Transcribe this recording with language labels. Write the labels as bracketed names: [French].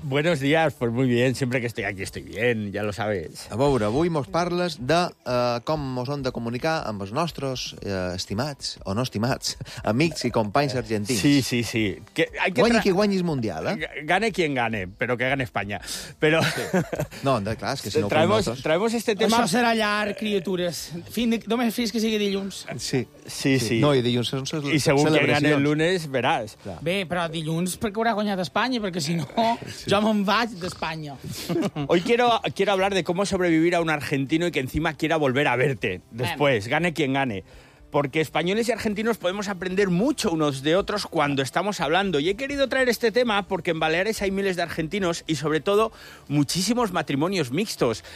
[Spanish] Buenos días, pues muy bien. Siempre que estoy aquí estoy bien, ya lo sabes. [Catalan] A veure, avui mos parles de com mos hem de comunicar amb els nostres estimats, o no estimats, amics i companys argentins. Sí, sí, sí. Guanyi qui guanyis Mundial, eh? [Spanish] Gane quien gane, pero que gane España. Pero... [Catalan] Sí. No, de, clar, és que si no... [Spanish] Traemos este tema... [Catalan] Això serà llarg, criatures. Només fins que sigui dilluns. Sí. Sí, sí. No, i dilluns són celebracions. I segur que [Spanish] gane el lunes, [Catalan] veràs. Clar. Bé, però dilluns perquè haurà guanyat España, [Spanish] porque si no, sí. [Catalan] Yo me'n vaig de España. [Spanish] Hoy quiero hablar de cómo sobrevivir a un argentino y que encima quiera volver a verte después, bien. Gane quien gane. Porque españoles y argentinos podemos aprender mucho unos de otros cuando estamos hablando. Y he querido traer este tema porque en Baleares hay miles de argentinos y sobre todo muchísimos matrimonios mixtos.